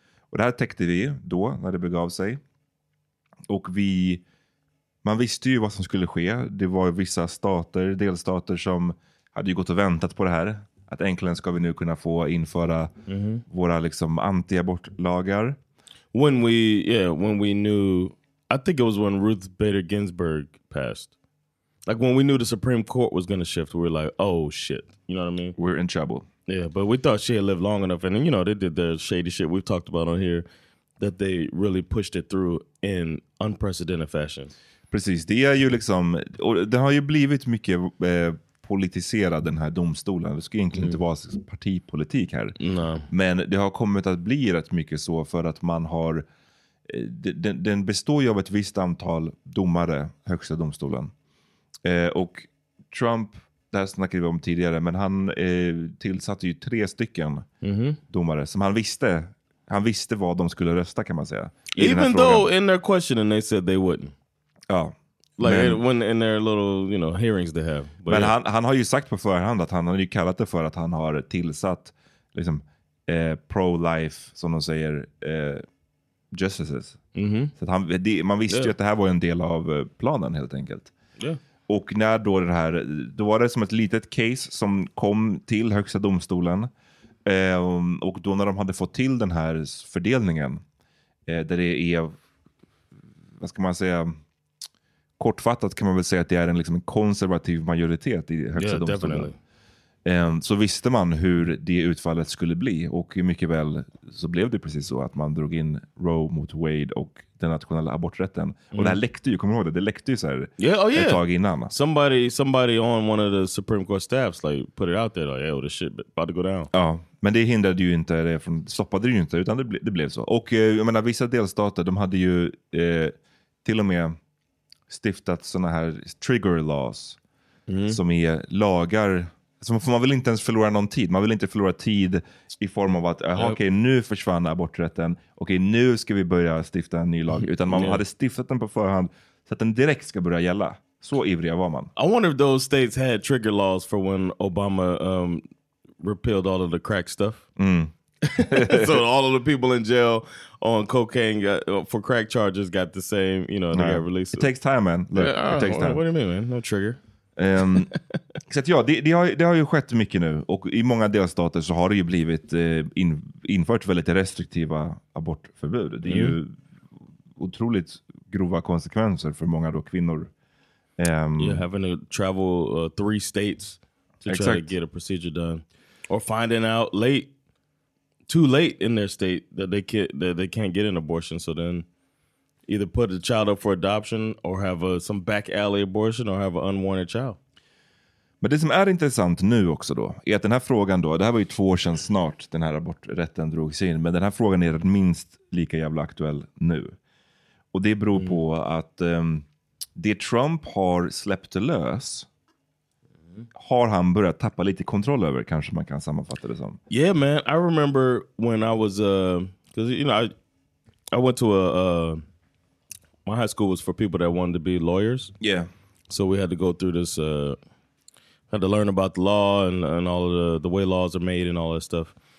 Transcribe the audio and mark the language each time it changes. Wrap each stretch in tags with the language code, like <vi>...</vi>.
<sv>Och det här täckte vi då, när det begav sig. Och vi, man visste ju vad som skulle ske. Det var vissa stater, delstater, som hade ju gått och väntat på det här. Att äntligen ska vi nu kunna få införa våra liksom anti-abortlagar.</sv> <en>When we, yeah, when we knew, I think it was when Ruth Bader Ginsburg passed. Like when we knew the Supreme Court was going to shift, we were like, oh shit, you know what I mean? We're in trouble. Yeah, but we thought she had lived long enough. And then, you know, they did the shady shit we've talked about on here, that they really pushed it through in unprecedented fashion.</en> <sv>Precis, det är ju liksom, och det har ju blivit mycket... politisera den här domstolen. Det ska egentligen inte vara partipolitik här.</sv> <en>No.</en> <sv>Men det har kommit att bli rätt mycket så, för att man har den består ju av ett visst antal domare, högsta domstolen. Och Trump, det här snackade vi om tidigare, men han tillsatte ju 3 stycken domare som han visste vad de skulle rösta, kan man säga.</sv> <en>Even though in their questioning they said they wouldn't.</en> <sv>Ja.</sv> <en>Like when in their little, you know, hearings they have. But</en> <sv>men</sv> <en>yeah.</en> <sv>han har ju sagt på förhand att han har ju kallat det för att han har tillsatt liksom pro-life, som de säger, justices. Mm-hmm. Så att han, det, man visste yeah. ju att det här var en del av planen helt enkelt.</sv> <en>Yeah.</en> <sv>Och när då det här, då var det som ett litet case som kom till högsta domstolen. Och då när de hade fått till den här fördelningen, där det är, vad ska man säga, kortfattat kan man väl säga att det är en, liksom, en konservativ majoritet i högsta</sv> <en>yeah,</en> <sv>domstolen.</sv> <en>Definitely.</en> <sv>Så visste man hur det utfallet skulle bli, och mycket väl så blev det precis så att man drog in Roe mot Wade och den nationella aborträtten. Mm. Och det här läckte ju, kommer du ihåg det? Det läckte ju så här ett tag innan.</sv> <en>Somebody on one of the Supreme Court staffs like put it out there like, oh, this shit about to go down.</en> <sv>Ja, men det hindrade ju inte, det från, stoppade det ju inte, utan det blev så. Och jag menar, vissa delstater, de hade ju till och med stiftat såna här trigger laws som är lagar. Så man vill inte ens förlora någon tid. Man vill inte förlora tid i form av att okej, nu försvann aborträtten. Okej, nu ska vi börja stifta en ny lag. Utan man hade stiftat den på förhand så att den direkt ska börja gälla. Så ivriga var man.</sv> <en>I wonder if those states had trigger laws for when Obama repealed all of the crack stuff. Mm. So all of the people in jail on cocaine for crack charges got the same, you know, they got released. It takes time, man. Look, it takes time. What do you mean, man? No trigger.</en> <sv>Så att ja, det har ju skett mycket nu, och i många delstater så har det ju blivit infört väldigt restriktiva abortförbud. Det är ju otroligt grova konsekvenser för många då kvinnor.</sv> <en>You're having to travel three states to try to get a procedure done, or finding out late, too late in their state that they can't get an abortion, so then either put a child up for adoption or have some back alley abortion or have an unwanted child.</en> <sv>Men det som är intressant nu också då är att den här frågan då, det här var ju 2 år sedan snart den här aborträtten drogs in, men den här frågan är minst lika jävla aktuell nu. Och det beror på att det Trump har släppt lös har han börjat tappa lite kontroll över, kanske man kan sammanfatta det som.</sv> <en>Yeah man, I remember when I was because you know I went to my high school was for people that wanted to be lawyers. Yeah. So we had to go through this, had to learn about the law and all of the way laws are made and all that stuff.</en>